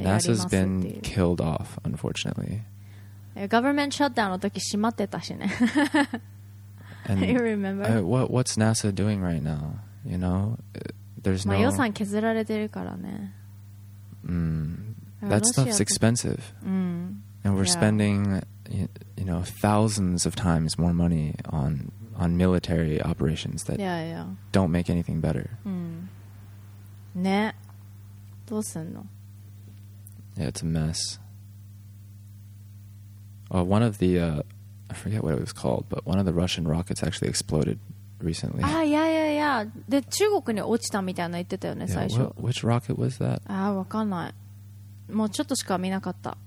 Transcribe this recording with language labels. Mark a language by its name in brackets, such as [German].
[Japanese] ります。 [English] NASA's been killed off, unfortunately. Government shutdown [Japanese] の時閉まってたしね。 [English] And you remember? What's NASA doing right now? You know? There's no... [Japanese] 予算削られてるからね。 [English] That stuff's expensive. And we're spending, you know, thousands of times more money on military operations that don't make anything better. [Japanese] ね、どうすんの? [English] Yeah, it's a mess. Well, one of the, I forget what it was called, but one of the Russian rockets actually exploded recently. Ah, yeah, yeah, yeah. [Japanese] で、中国に落ちたみたいな言ってたよね、 [English] yeah, [Japanese] 最初。 [English] Which rocket was that? [Japanese] Ah, わかんない。もうちょっとしか見なかった。